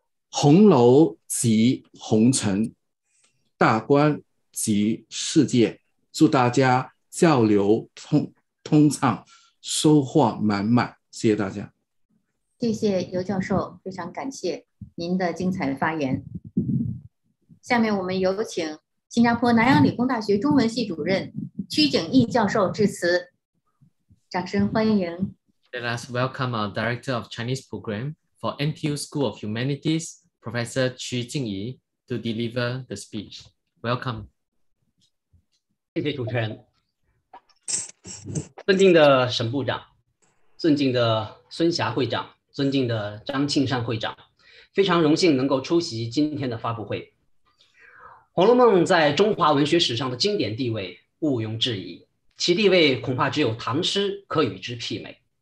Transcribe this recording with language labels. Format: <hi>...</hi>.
<zh>红楼即红尘，大观即世界，祝大家交流通畅，收获满满，谢谢大家。谢谢尤教授，非常感谢您的精彩发言。下面我们有请新加坡南洋理工大学中文系主任屈景毅教授致辞，掌声欢迎。</zh> <en>Let us welcome our Director of Chinese Program for NTU School of Humanities, Professor 屈景毅 to deliver the speech. Welcome.</en> <zh>谢谢主持人。尊敬的沈部长，尊敬的孙霞会长，尊敬的张庆善会长，非常荣幸能够出席今天的发布会。 《红楼梦》在中华文学史上的经典地位毋庸置疑，其地位恐怕只有唐诗可与之媲美。</zh>